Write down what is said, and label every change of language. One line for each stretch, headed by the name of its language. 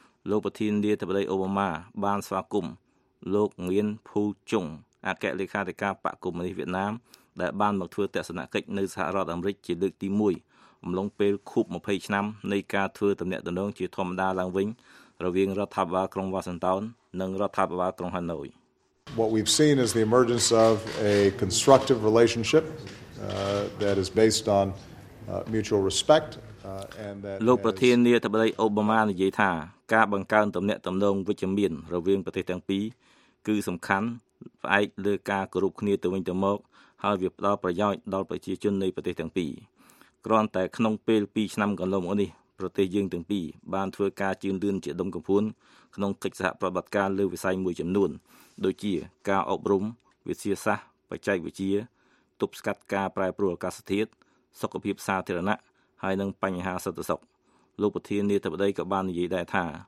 Khmer: លោកប្រធាននាយកដ្ឋានអូបាម៉ាបានស្វាគមន៍លោកមានភូជុងអគ្គលេខាធិការបក្សកុម្មុយនីស្តវៀតណាមដែលបានមកធ្វើទស្សនកិច្ចនៅសហរដ្ឋអាមេរិកជាលើកទី1អំឡុងពេលខួប20ឆ្នាំនៃការធ្វើទំនាក់ទំនងជាធម្មតាឡើងវិញរវាងរដ្ឋាភិបាលក្រុងវ៉ាស៊ីនតោននិងរដ្ឋាភិបាលក្រុងហាណូយ
English: What we've seen is the emergence of a constructive relationshipthat is based on mutual respect and that
Khmer: លោកប្រធាននាយកដ្ឋានអូបាម៉ានិយាយថាការបង្កើនទំនាក់ទំនងវិជ្ជមានរវាងប្រទេសទាំងពីរគឺសំខាន់ផ្អែកលើការគោរពគ្នាទៅវិញទៅមកហើយវាផ្ដល់ប្រយោជន៍ដល់ប្រជាជននៃប្រទេសទាំងពីរ គ្រាន់តែក្នុងពេល2ឆ្នាំកន្លងមកនេះប្រទេសយើងទាំងពីរបានធ្វើការជឿនលឿនជាដុំកំភួនក្នុងកិច្ចសហប្រតិបត្តិការលើវិស័យមួយចំនួនដូចជាការអប់រំវិទ្យាសាស្ត្របច្ចេកវិទ្យាទប់ស្កាត់ការប្រែប្រួលអាកាសធាតុសុខភាពសាធារណៈហើយនឹងបញ្ហាសន្តិសុខលោកប្រធាននាយកដ្ឋានក៏បាននិយាយដែរថា